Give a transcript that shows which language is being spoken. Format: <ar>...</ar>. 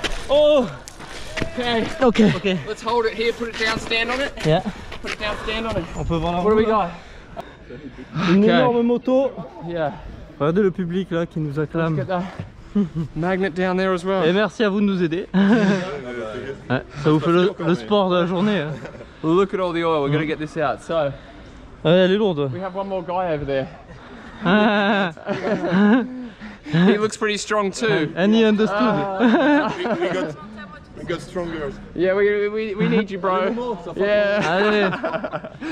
<en>Oh, yes! Oh! Okay. Okay. Let's hold it here, put it down, stand on it. Yeah. Put it down, stand on it.</en> <fr>On peut voir la</fr> <en>What do we got?</en> <fr>Une énorme moto.</fr> <en>Yeah.</en> <fr>Regardez le public là qui nous acclame.</fr> <en>Let's get that magnet down there as well.</en> <fr>Et merci à vous de nous aider. Ouais, ça vous fait le sport de la journée. Hein.</fr> <en>Look at all the oil, we're gonna get this out. So.</en> <fr>Elle est lourde.</fr> <en>We have one more guy over there. He looks pretty strong too. And he understood. We got stronger. Yeah, we need you, bro. Yeah.</en>